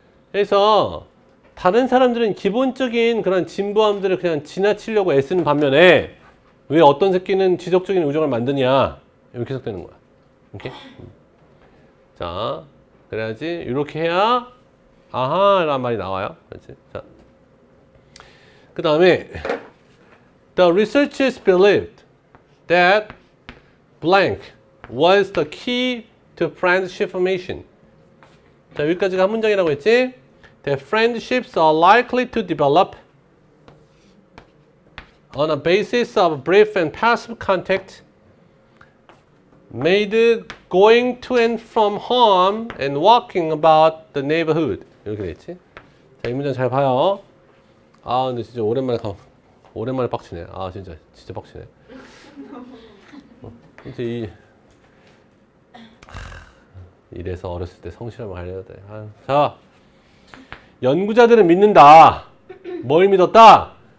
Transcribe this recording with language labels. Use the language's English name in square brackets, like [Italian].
[Korean] 그래서 다른 사람들은 기본적인 그런 진부함들을 그냥 지나치려고 애쓰는 반면에 왜 어떤 새끼는 지속적인 우정을 만드냐 이렇게 해석되는 거야. 오케이? 자 그래야지 이렇게 해야 아하 라는 말이 나와요. 그렇지? 자. 그 다음에 [English] The researchers believed that blank was the key to friendship formation. [Korean] 자 여기까지가 한 문장이라고 했지? [English] That friendships are likely to develop on a basis of brief and passive contact made going to and from home and walking about the neighborhood. [Korean] 이렇게 되어있지? 자, 이 문장 잘 봐요. 아 근데 진짜 오랜만에 오랜만에 빡치네. 아 진짜 빡치네. 이제 이 이래서 어렸을 때 성실함을 알려야 돼. 아, 자 연구자들은 믿는다. 뭘 믿었다?